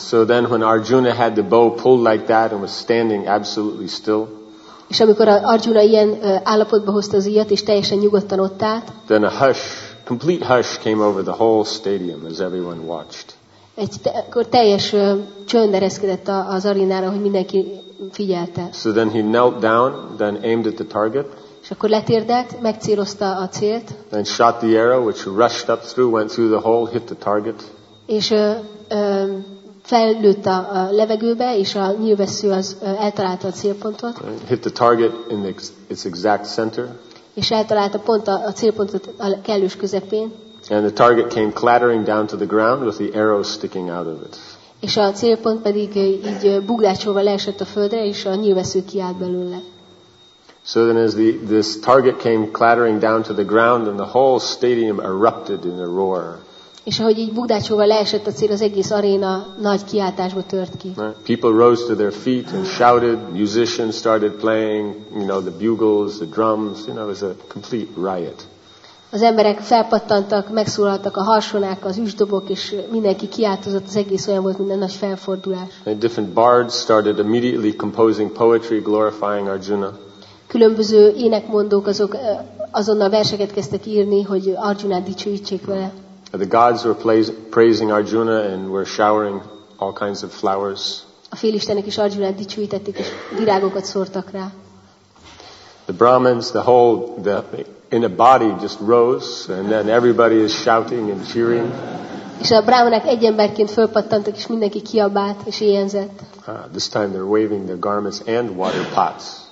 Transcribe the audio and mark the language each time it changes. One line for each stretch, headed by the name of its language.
English: So then when Arjuna had the bow pulled like that and was standing absolutely still,
Hungarian: és amikor Arjuna ilyen állapotba hozta az íjat, és teljesen nyugodtan ott állt,
English: then a hush, complete hush came over the whole stadium as everyone watched.
Hungarian: Akkor teljes csönd ereszkedett az arénára, hogy mindenki figyelte.
English: So then he knelt down, then aimed at the target.
Hungarian: És akkor letérdelt, megcélozta a célt.
English: Then shot the arrow, which rushed up through, went through the hole, hit the target.
Hungarian: És fellőtt a levegőbe, és a nyilvessző az eltalálta a célpontot.
English: Hit the target in its exact center.
Hungarian: És eltalálta pont a célpontot a kellős közepén.
English: And the target came clattering down to the ground with the arrow sticking out of it.
Hungarian: És a célpont pedig így buglácsolva leesett a földre, és a nyilvessző kiállt belőle.
English: So then as this target came clattering down to the ground and the whole stadium erupted in a roar.
Hungarian: És ahogy így buglácsolva leesett a cél, az egész aréna nagy kiáltásba tört ki.
English: People rose to their feet and shouted, musicians started playing, you know, the bugles, the drums, you know, it was a complete riot.
Hungarian: Az emberek felpattantak, megszólaltak a harsonák, az üsdobok, és mindenki kiáltozott, az egész olyan volt, mint egy nagy felfordulás.
English: And different bards started immediately composing poetry glorifying Arjuna.
Hungarian: Különböző énekmondók azok azonnal verseket kezdtek írni, hogy Arjunát dicsőítsék vele.
English: The gods were praising Arjuna and were showering all kinds of flowers.
Hungarian: A félistenek is Arjunát dicsőítették, és virágokat szórtak rá.
English: The Brahmins, the whole, the in a body just rose, and then everybody is shouting and cheering.
Hungarian: És a brahmanák egy emberként fölpattantak, és mindenki kiabált és éjjenzett.
English: This time they're waving their garments and water pots.